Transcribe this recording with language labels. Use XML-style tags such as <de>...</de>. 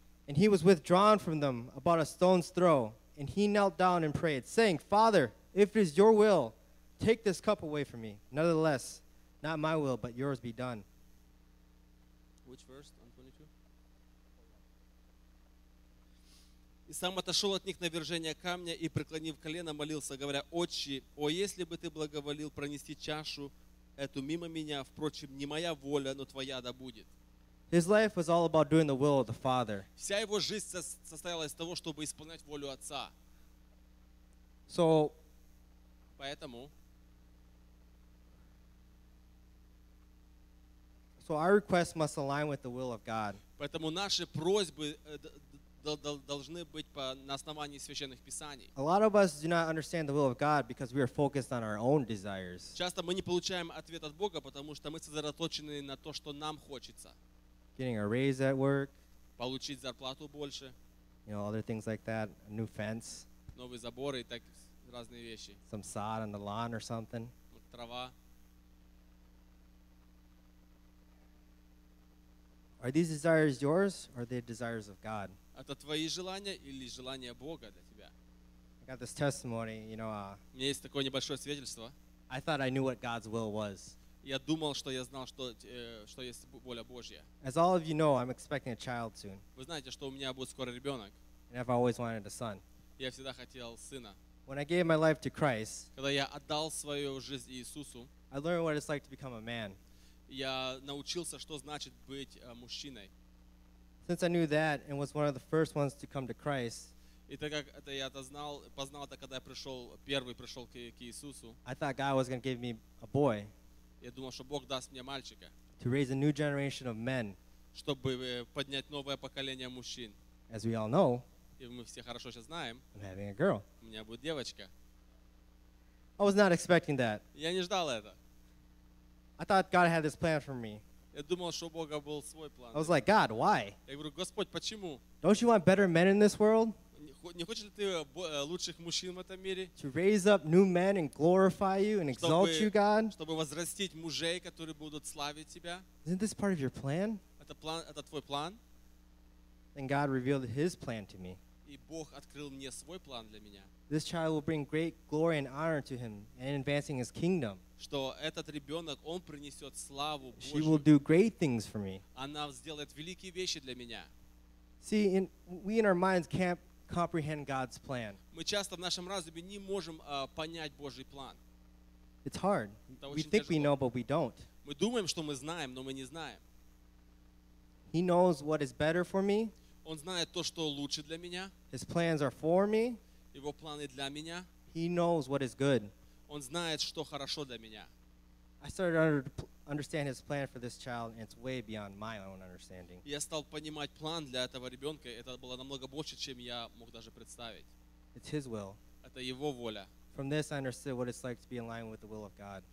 <en>And He was withdrawn from them about a stone's throw, and He knelt down and prayed, saying, Father, if it is Your will, take this cup away from me. Nevertheless, not my will, but Yours be done. Which verse?</en> <ru>On 22. И сам отошел от них на вержение камня и, преклонив колено, молился, говоря, Отче, о, если бы Ты благоволил пронести чашу эту мимо меня, впрочем, не моя воля, но Твоя да будет.</ru> <en>His life was all about doing the will of the Father.</en> <ru>Вся его жизнь состояла из того, чтобы исполнять волю Отца.</ru> <en>So,</en> <ru>поэтому.</ru> <en>So our request must align with the will of God.</en> <ru>Поэтому наши просьбы должны быть по на основании священных писаний.</ru> <en>A lot of us do not understand the will of God because we are focused on our own desires.</en> <ru>Часто мы не получаем ответ от Бога, потому что мы сосредоточены на то, что нам хочется.</ru> <en>Getting a raise at work.</en> <ru>Получить зарплату больше.</ru> <en>You know, other things like that, a new fence.</en> <ru>Новые заборы и так разные вещи.</ru> <en>Some sod on the lawn or something.</en> <ru>Трава.</ru> <en>Are these desires yours or are they desires of God?</en> <ru>Это твои желания или желания Бога для тебя?</ru> <en>I got this testimony, you know.</en> <ru>У меня есть такое небольшое свидетельство.</ru> <en>I thought I knew what God's will was.</en> <ru>Я думал, что я знал, что есть воля Божья.</ru> <en>As all of you know, I'm expecting a child soon.</en> <ru>Вы знаете, что у меня будет скоро ребенок.</ru> <en>And I've always wanted a son.</en> <ru>Я всегда хотел сына.</ru> <en>When I gave my life to Christ,</en> <ru>когда я отдал свою жизнь Иисусу,</ru> <en>I learned what it's like to become a man.</en> <ru>Я научился, что значит быть мужчиной.</ru> <en>Since I knew that and was one of the first ones to come to Christ,</en> <ru>и так как это я это знал, познал это, когда я пришел, первый пришел к Иисусу,</ru> <en>I thought God was going to give me a boy.</en> <ru>Я думал, что Бог даст мне мальчика.</ru> <en>To raise a new generation of men.</en> <ru>Чтобы поднять новое поколение мужчин.</ru> <en>As we all know.</en> <ru>И мы все хорошо сейчас знаем.</ru> <en>I'm having a girl.</en> <ru>У меня будет девочка.</ru> <en>I was not expecting that.</en> <ru>Я не ждал это.</ru> <en>I thought God had this plan for me.</en> <ru>Я думал, что у Бога был свой план.</ru> <en>I was like, God, why?</en> <ru>Я говорю, Господь, почему?</ru> <en>Don't you want better men in this world?</en> <ru>Не хочешь ли ты лучших мужчин в этом мире?</ru> <en>To raise up new men and glorify you and exalt you, God?</en> <ru>Чтобы возрастить мужей, которые будут славить тебя?</ru> <en>Isn't this part of your plan?</en> <ru>Это твой план?</ru> <en>And God revealed His plan to me.</en> <ru>И Бог открыл мне свой план для меня.</ru> <en>This child will bring great glory and honor to Him and advancing His kingdom.</en> <ru>Что этот ребенок, он принесет славу Божию.</ru> <en>She will do great things for me.</en> <ru>Она сделает великие вещи для меня.</ru> <en>See, we in our minds can't comprehend God's plan.</en> <ru>Мы часто в нашем разуме не можем понять Божий план.</ru> <en>It's hard. We think we know, but we don't.</en> <ru>Мы думаем, что мы знаем, но мы не знаем.</ru> <en>He knows what is better for me.</en> <ru>Он знает то, что лучше для меня.</ru> <en>His plans are for me.</en> <ru>Его планы для меня.</ru> <en>He knows what is good.</en> <ru>Он знает, что хорошо для меня.</ru> <en>I started to understand His plan for this child, and it's way beyond my own understanding.</en> <ru>Я стал понимать план для этого ребенка. Это было намного больше, чем я мог даже представить.</ru> <en>It's His will.</en> <ru>Это Его воля.</ru> <en>From this, I understood what it's like to be in line with the will of God.</en>